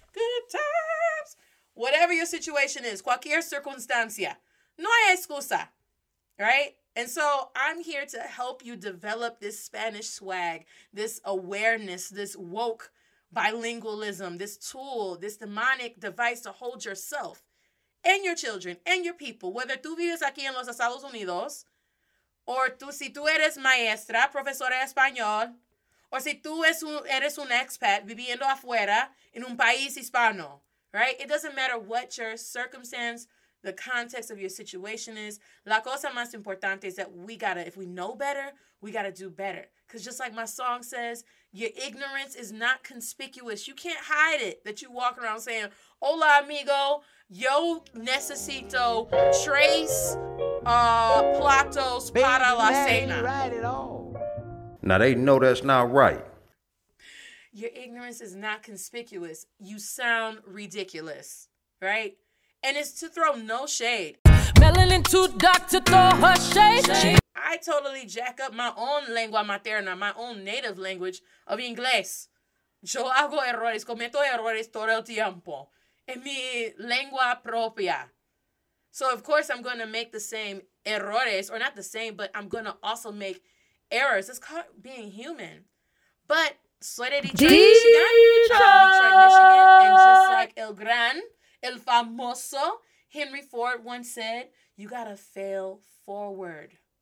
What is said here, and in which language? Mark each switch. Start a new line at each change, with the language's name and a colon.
English: Good times. Whatever your situation is,
Spanish: cualquier circunstancia, no hay excusa,
English: right? And so I'm here to help you develop this Spanish swag, this awareness, this woke bilingualism, this tool, this demonic device to hold yourself and your children and your people.
Spanish: Whether tú vives aquí en los Estados Unidos, or tú, si tú eres maestra, profesora de español, or si tú eres un expat viviendo afuera en un país hispano, right?
English: It doesn't matter what your circumstance, the context of your situation is,
Spanish: la cosa más importante
English: is that if we know better, we gotta do better. Because just like my song says, your ignorance is not conspicuous. You can't hide it that you walk around saying,
Spanish: hola amigo, yo necesito tres platos para la cena.
English: Now they know that's not right. Your ignorance is not conspicuous. You sound ridiculous, right? And it's to throw no shade. Melanin too dark to throw her shade. I totally jack up my own
Spanish: lengua materna,
English: my own native language of inglés.
Spanish: Yo hago errores, cometo errores todo el tiempo. En mi lengua propia.
English: So, of course, I'm going to make the same errores, or not the same, but I'm going to also make errors. It's called being human. But,
Spanish: soy de
English: Detroit, Michigan, and just like El Gran, El famoso Henry Ford once said, you gotta fail forward.